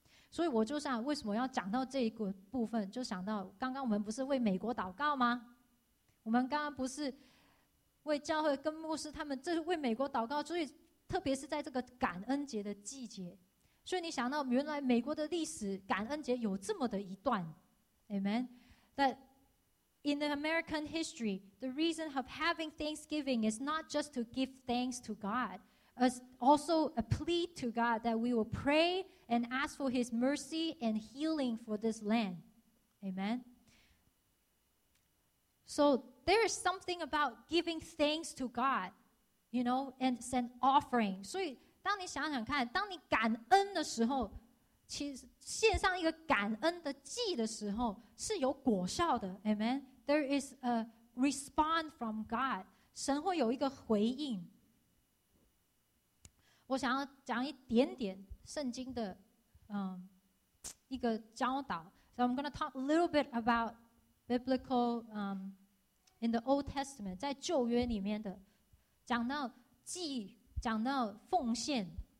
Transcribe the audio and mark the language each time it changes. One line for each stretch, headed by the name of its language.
Chinese: 所以我就想为什么要讲到这个部分，就想到刚刚我们不是为美国祷告吗？我们刚刚不是为教会跟牧师他们这是为美国祷告，所以特别是在这个感恩节的季节，所以你想到原来美国的历史感恩节有这么的一段。
English: Amen. That in the American history, the reason of having Thanksgiving is not just to give thanks to God, but also a plea to God that we will pray and ask for his mercy and healing for this land. Amen. So there is something about giving thanks to God, you know, and it's an offering.
Chinese: 所以当你想想看，当你感恩的时候，献上一个感恩的祭的时候是有果效的 Amen.
English: There is a response from God.
Chinese: 神会有一个回应。我想要讲一点点圣经的一个教导。
English: So I'm going to talk a little bit about biblical in the Old Testament,
Chinese: 在旧约里面的讲到祭，讲到奉献。